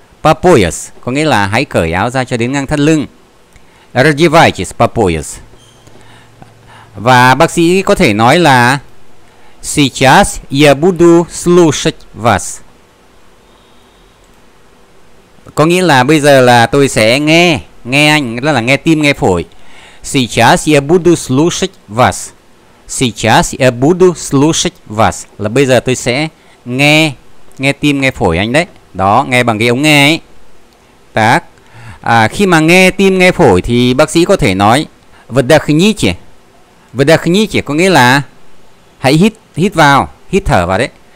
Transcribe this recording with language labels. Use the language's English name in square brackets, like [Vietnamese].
[Vietnamese] По пояс có nghĩa là hãy cởi áo ra cho đến ngang thắt lưng. [Russian] Раздевайтесь по пояс. [Vietnamese] Và bác sĩ có thể nói là [Russian] сейчас я буду слушать вас. [Vietnamese] Có nghĩa là bây giờ là tôi sẽ nghe anh, đó là nghe tim nghe phổi. [Russian] Сейчас я буду слушать вас. Сейчас я буду слушать вас. [Vietnamese] Là bây giờ tôi sẽ nghe tim nghe phổi anh đấy. Đó, nghe bằng cái ống nghe ấy. [Russian] Так. [Vietnamese] Khi mà nghe tim nghe phổi thì bác sĩ có thể nói выдохните. Выдохните có nghĩa là hãy hít vào, hít thở vào đấy.